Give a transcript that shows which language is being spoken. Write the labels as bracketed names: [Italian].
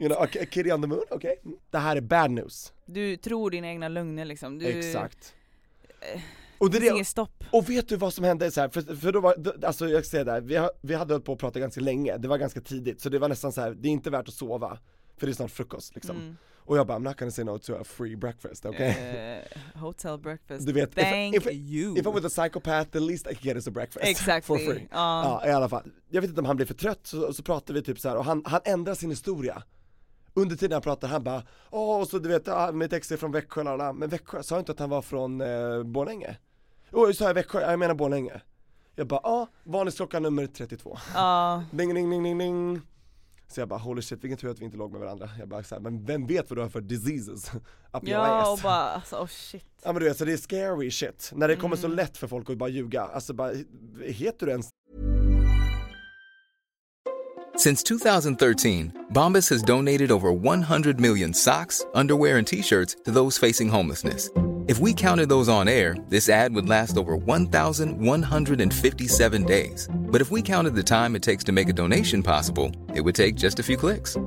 [English] You know, a kitty on the moon, okej. Okay. [Swedish] Det här är [English] bad news. [Swedish] Du tror dina egna lungor liksom. Du... Exakt. Och det är inget stopp. Och vet du vad som hände? Så här, för då var, alltså jag säger det här, vi hade hållit på att prata ganska länge. Det var ganska tidigt, så det var nästan så här, det är inte värt att sova. För det är snart frukost liksom. Mm. Och jag bara, [English] I'm not gonna say no to a free breakfast, okay? Hotel breakfast, [Swedish] du vet, [English] thank you. If I'm with a psychopath, the least I can get is a breakfast. Exactly. For free. [Swedish] Ja, i alla fall. Jag vet inte om han blir för trött, så pratar vi typ så här. Och han ändrar sin historia. Under tiden han pratar, han bara, så du vet, mitt ex är från Växjö. Men Växjö, sa inte att han var från Borlänge? Jo, sa jag Växjö, jag menar Borlänge. Jag bara, varningsklockan nummer 32. Ja. Ding, ding, ding, ding, ding. Så jag bara, [English] holy shit, [Swedish] vilken tur att vi inte låg med varandra. Jag bara, så här, men vem vet vad du har för diseases? [English] Up [Swedish] ja, [English] your ass. [Swedish] Och bara, alltså, oh shit. Ja, men du vet, så det är [English] scary shit. [Swedish] När det kommer så lätt för folk att bara ljuga. Alltså, bara, heter du ens? [English] Since 2013, Bombas has donated over 100 million socks, underwear and t-shirts to those facing homelessness. If we counted those on air, this ad would last over 1,157 days. But if we counted the time it takes to make a donation possible, it would take just a few clicks.